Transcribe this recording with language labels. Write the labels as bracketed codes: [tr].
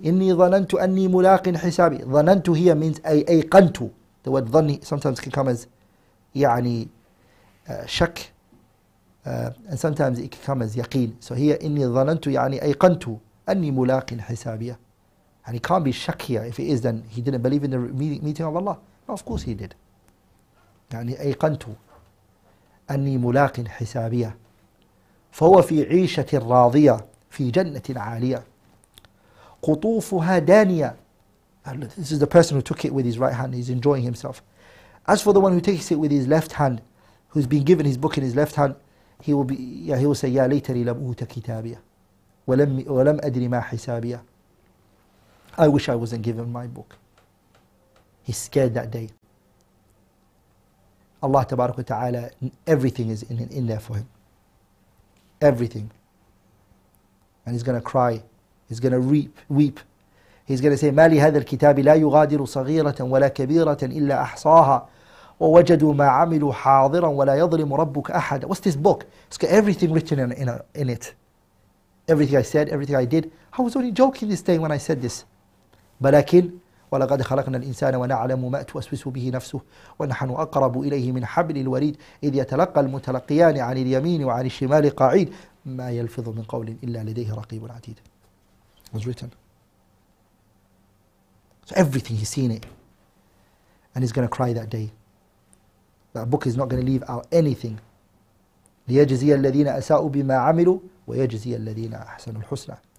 [ar] إِنِّي ظَنَنْتُ أَنِّي مُلَاقٍ حِسَابِي ظَنَنْتُ [en] here means [ar] أَيْقَنْتُ [en] The word ظَنِّي sometimes can come as [ar] يعني شك [en] and sometimes it can come as يقين. So here, [ar] إِنِّي ظَنَنْتُ يعني أَيْقَنْتُ أَنِّي مُلَاقٍ حِسَابِيَ [en] And he can't be shak here. If it is, then he didn't believe in the meeting of Allah. No, of course he did. [ar] يعني أيقنت أني ملاق حسابية فهو في عيشة راضية في جنة عالية قطوفها دانية [en] This is the person who took it with his right hand. He's enjoying himself. As for the one who takes it with his left hand, who's been given his book in his left hand, he will say, [ar] يا ليتني لم أوت كتابية ولم أدري ما حسابية [en] I wish I wasn't given my book. He's scared that day. Allah Tabarak wa Ta'ala, everything is in there for him. Everything. And he's going to cry. He's going to weep. He's going to say, [ar] مَا لِهَذَا الْكِتَابِ لَا يُغَادِرُ صَغِيرَةً وَلَا كَبِيرَةً إِلَّا أَحْصَاهَا وَوَجَدُوا مَا عَمِلُوا حَاضِرًا وَلَا يَظْلِمُ رَبُّكَ أَحَدًا [en] What's this book? It's got everything written in it. Everything I said, everything I did. I was only joking this day when I said this. [ar] بلكن ولقد خلقنا الإنسان ونعلم ما توسوس به نفسه ونحن أقرب إليه من حبل الوريد إذ يتلقى المتلقيان عن اليمين وعن الشمال قاعد ما يلفظ من قول إلا لديه رقيب عتيد. [en] was written. So everything he's seen it, and he's going to cry that day. That book is not going to leave out anything. [ar] ليجزي الذين أساءوا بما عملوا ويجزي الذين أحسنوا الحسنى.